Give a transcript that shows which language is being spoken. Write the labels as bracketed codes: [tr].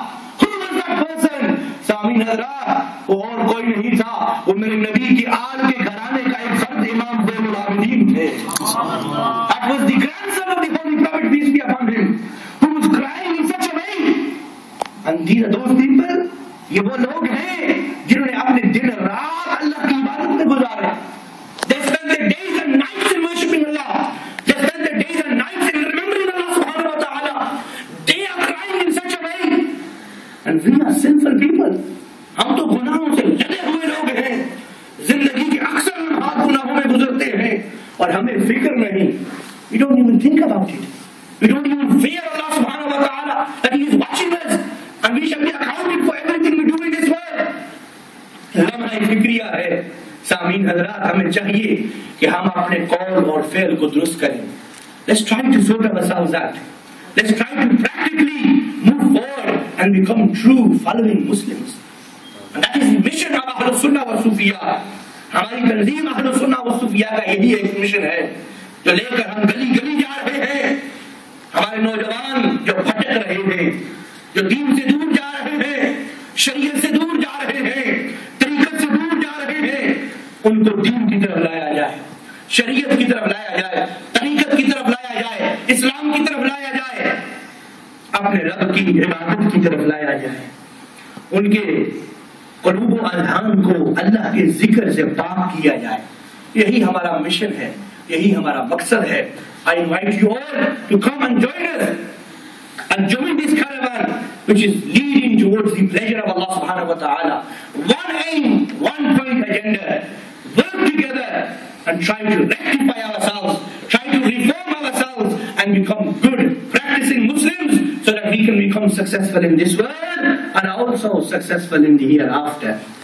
[en] Who was that person? [hi] सामी नजरा, वो और कोई नहीं था, वो मेरे नबी की आल के घराने का एक फर्द इमाम ज़ैनुल आबिदीन थे। [en] That was the grandson of the holy prophet peace be upon him, who was crying in such a way. And these are those people, [hi] ये वो लोग हैं जिन्होंने अपने दिन रात अल्लाह की इबादत में गुजारे। [en] They spent the days and nights in worshiping Allah. They spent the days and nights in remembering Allah subhanahu wa ta'ala. They are crying in such a way. And we are sinful people. [hi] हम तो गुनाहों से लदे हुए लोग हैं, जिंदगी के अक्सर लम्हात गुनाहों में गुजरते हैं और हमें फिक्र नहीं। [en] We don't even think about it. We don't even fear Allah subhanahu wa ta'ala that He is watching us. And we shall be accounted for everything we do in this world. [hi] हमारा एक फिक्रिया है। सामीन हजरात, हमें चाहिए कि हम अपने कॉल और फेल को दुरुस्त करें। [en] Let's try to sort ourselves out. Let's try to practically move forward and become true following Muslims. And that is the mission of Ahlus Sunnah wa Sufiya. [hi] हमारी तंजीम Ahlus Sunnah wa Sufiya का यही एक mission है जो लेकर हम गली गली जा रहे हैं। हमारे नौजवान जो भटक रहे हैं, जो दीन से दूर जा रहे हैं, शरीयत से दूर जा रहे हैं, तरीकत से दूर जा रहे हैं, उनको दीन की तरफ लाया जाए, शरीयत की तरफ लाया जाए, तरीकत की तरफ लाया जाए, इस्लाम की तरफ लाया जाए, अपने रब की इबादत की तरफ लाया जाए, उनके कलूब अधान को अल्लाह के जिक्र से पाक किया जाए। यही हमारा मिशन है, यही हमारा मकसद है। [en] I invite you all to come and join us and join this caravan which is leading towards the pleasure of Allah subhanahu wa ta'ala. One aim, one point agenda, work together and try to rectify ourselves, try to reform ourselves and become good practicing Muslims so that we can become successful in this world and also successful in the hereafter.